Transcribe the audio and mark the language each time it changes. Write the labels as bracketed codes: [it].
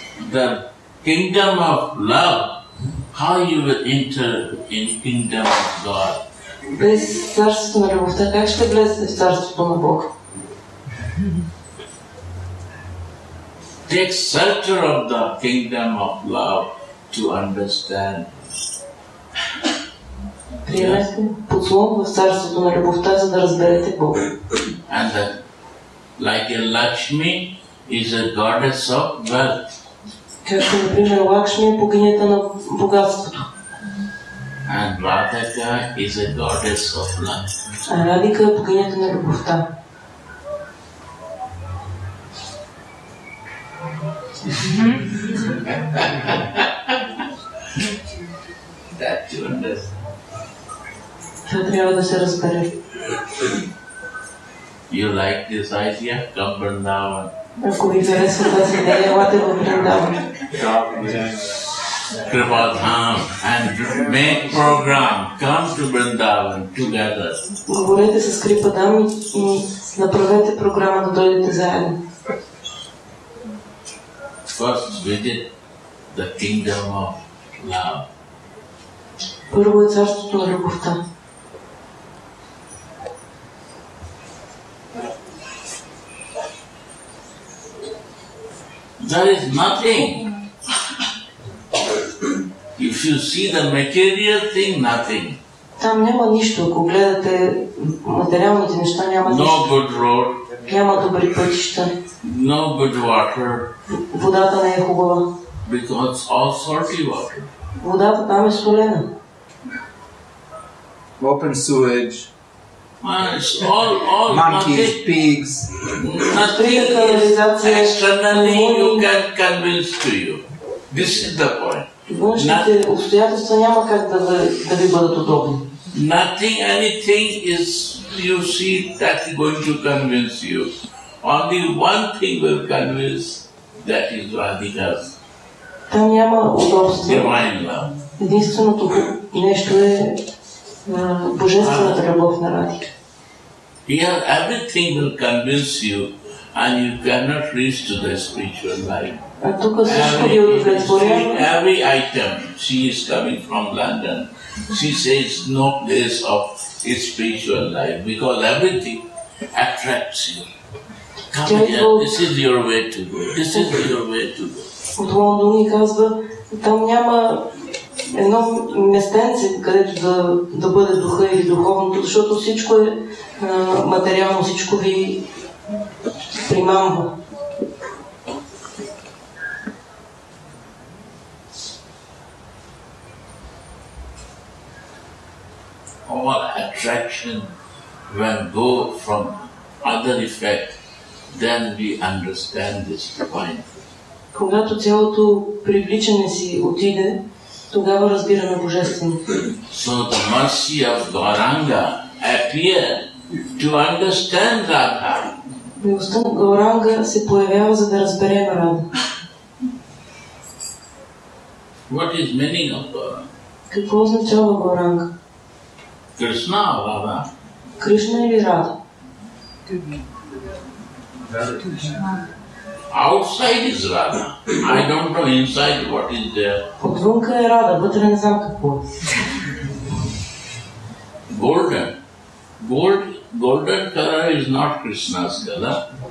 [en] The kingdom of love, how you will enter in kingdom of God? [bg] Без царството на любовта, как ще влезете в царството на Бог? [en] Take shelter of the kingdom of love to understand. [bg] Приемете подслон в царството на любовта, за да разберете Бог. [en] And that, like a Lakshmi is a goddess of wealth. [bg] Както, например, Лакшми е богинята на богатството. [en] And Radhika is a goddess of love. [bg] А Радика е богинята на любовта. [en] That you understand. [bg] Това трябва да се разбере. [en] You like this idea? Come Vrindavan. [bg] Ако ви харесва тази идея, елате в Vrindavan. [en] Kripa Dham and make program, come to Vrindavan together. [bg] Говорете с Крипа Дам и направете програма да дойдете заедно. [en] First visit the kingdom of love. [bg] Първо е царството на любовта. [en] There is nothing. If you see the material thing, nothing. [bg] Там няма нищо. Ако гледате материалните неща, няма нищо. [en] No good road. [bg] Няма добри пътища. [en] No good water. [bg] Водата не е хубава. [en] Because all salty water. [bg] Водата там е солена. [en] Open sewage. All monkeys, pigs. Nothing externally you can convince to you. This is the point. [bg] Външните обстоятелства няма как да ви бъдат удобни. [en] Nothing, anything is you see that is going to convince you. Only one thing will convince, that is Radhika's. [bg] Там няма удобство. [en] Divine love. [bg] Единственото нещо е божествената любов на Радика. [en] Here everything will convince you and you cannot reach to the spiritual life. Every item, she is coming from London, she says no place of spiritual life because everything attracts you. Come here, this is your way to go. This is your way to go. [bg] От Лондон ни казва, там няма едно местенце, където да бъде духа или духовното, защото всичко е материално, всичко ви примамва. [en] All attraction when go from other effect, then we understand this point. [bg] Когато цялото привличане си отиде, тогава разбираме божественото. [en] So the mercy of Gauranga appear to understand Radha. [bg] Милостта на Гауранга се появява, за да разбере Радха. [en] What is meaning of Gauranga? [bg] Какво означава Гауранга? Кришна, Радха. Кришна или Радха? [en] Outside is Radha. I don't know inside what is there. [bg] Отвънка е Радха, вътре не знам какво. [en] Golden. Golden color is not Krishna's color.